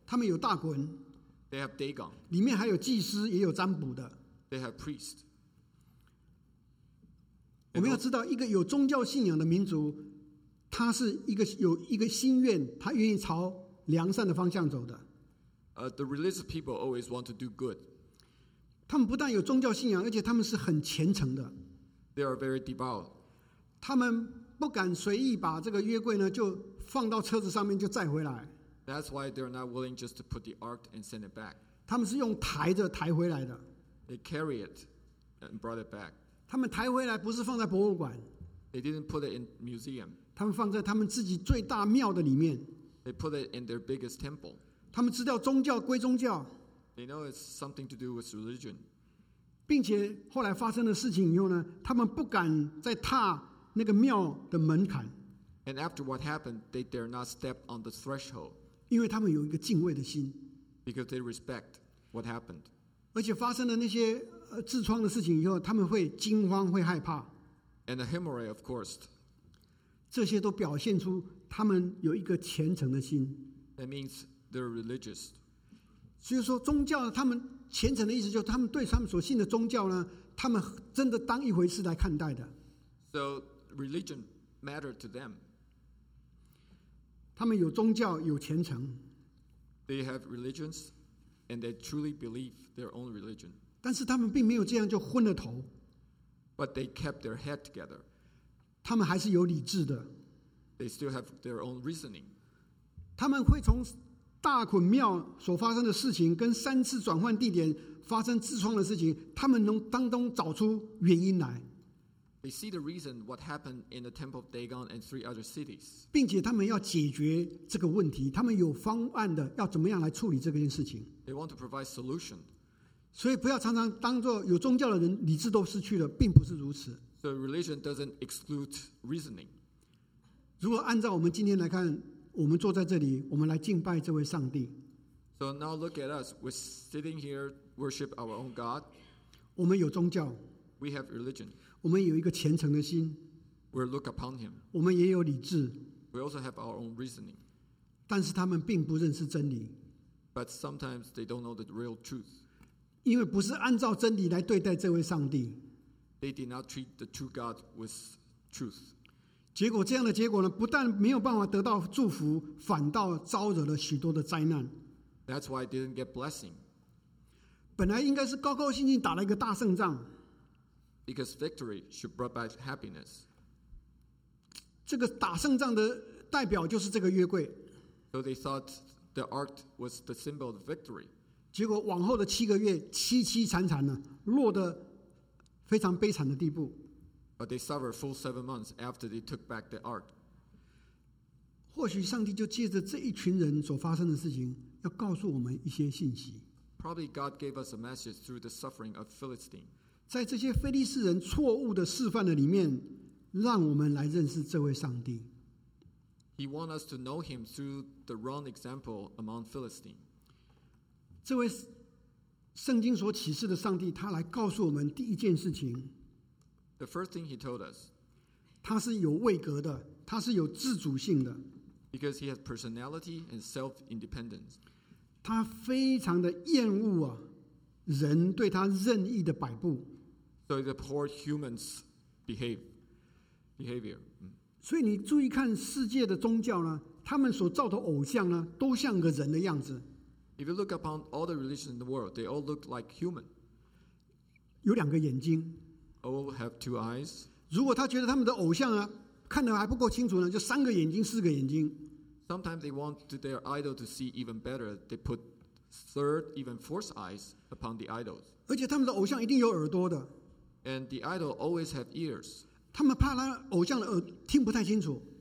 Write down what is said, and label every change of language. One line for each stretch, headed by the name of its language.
Chinese: 他们有大滚。
English: They have Dagon.
Chinese: 里面还有祭司，也有占卜的。
English: They have priests.
Chinese: 我们要知道，一个有宗教信仰的民族，他是一个有一个心愿，他愿意朝良善的方向走的。
English: The religious people always want to do good.
Chinese: 他们不但有宗教信仰，而且他们是很虔诚的。
English: They are very devout.
Chinese: 他们不敢随意把这个约柜呢就放到车子上面就载回来。
English: That's why they're not willing just to put the ark and send it back.
Chinese: 他们是用抬着抬回来的。
English: They carry it and brought it back.
Chinese: 他们抬回来不是放在博物馆。
English: They didn't put it in museum.
Chinese: 他们放在他们自己最大庙的里面。
English: They put it in their biggest temple.
Chinese: 他们知道宗教归宗教。
English: They know it's something to do with religion.
Chinese: 并且后来发生的事情以后呢，他们不敢再踏。那个庙的门槛。
English: And after what happened, they dare not step on the threshold.
Chinese: 因为他们有一个敬畏的心。
English: Because they respect what happened.
Chinese: 而且发生了那些痔疮的事情以后，他们会惊慌，会害怕。
English: And the hemorrhage, of course.
Chinese: 这些都表现出他们有一个虔诚的心。
English: That means they're religious.
Chinese: 所以说宗教，他们虔诚的意思就是他们对他们所信的宗教呢，他们真的当一回事来看待的。
English: So religion mattered to them.
Chinese: 他们有宗教，有虔诚。
English: They have religions, and they truly believe their own religion.
Chinese: 但是他们并没有这样就昏了头。
English: But they kept their head together.
Chinese: 他们还是有理智的。
English: They still have their own reasoning.
Chinese: 他们会从大捆庙所发生的事情，跟三次转换地点发生痔疮的事情，他们能当中找出原因来。
English: They see the reason what happened in the temple of Dagon and three other cities.
Chinese: 并且他们要解决这个问题，他们有方案的，要怎么样来处理这件事情。
English: They want to provide solution.
Chinese: 所以不要常常当作有宗教的人理智都失去了，并不是如此。
English: So religion doesn't exclude reasoning.
Chinese: 如果按照我们今天来看，我们坐在这里，我们来敬拜这位上帝。
English: So now look at us. We're sitting here, worship our own God.
Chinese: 我们有宗教。
English: We have religion.
Chinese: 我们有一个虔诚的心。
English: We look upon him.
Chinese: 我们也有理智。
English: We also have our own reasoning.
Chinese: 但是他们并不认识真理。
English: But sometimes they don't know the real truth.
Chinese: 因为不是按照真理来对待这位上帝。
English: They did not treat the true God with truth.
Chinese: 结果这样的结果呢，不但没有办法得到祝福，反倒招惹了许多的灾难。
English: That's why I didn't get blessing.
Chinese: 本来应该是高高兴兴打了一个大胜仗。
English: Because victory should brought back happiness.
Chinese: 这个打胜仗的代表就是这个约柜。
English: So they thought the ark was the symbol of victory.
Chinese: 结果往后的七个月，凄凄惨惨呢，落得非常悲惨的地步。
English: But they suffered full 7 months after they took back the ark.
Chinese: 或许上帝就借着这一群人所发生的事情，要告诉我们一些信息。
English: Probably God gave us a message through the suffering of Philistine.
Chinese: 在这些非利士人错误的示范的里面，让我们来认识这位上帝。
English: He wants us to know him through the wrong example among Philistine.
Chinese: 这位圣经所启示的上帝，他来告诉我们第一件事情。
English: The first thing he told us.
Chinese: 他是有位格的，他是有自主性的。
English: Because he has personality and self-independence.
Chinese: 他非常的厌恶啊，人对他任意的摆布。
English: So the poor humans behavior.
Chinese: 所以你注意看世界的宗教呢，他们所造的偶像呢，都像个人的样子。
English: If you look upon all the religions in the world, they all look like human.
Chinese: 有两个眼睛。
English: All have two eyes.
Chinese: 如果他觉得他们的偶像啊，看得还不够清楚呢，就三个眼睛，四个眼睛。
English: Sometimes they want their idol to see even better. They put third, even fourth eyes upon the idols.
Chinese: 而且他们的偶像一定有耳朵的。
English: And the idol always have ears.
Chinese: 他们怕他偶像的耳听不太清楚。